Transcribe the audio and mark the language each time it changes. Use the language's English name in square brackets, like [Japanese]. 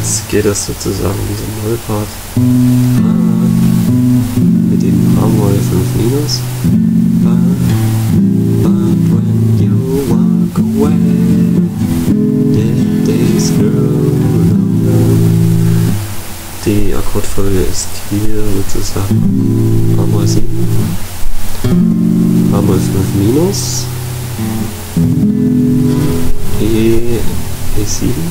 [German] Geht das sozusagen diese Mollpart mit dem A-Moll 5 minus. [English] But when you walk away, the days grow longer. [German] Die Akkordfolge ist hier sozusagen A-Moll 7, A-Moll 5 minus, E7.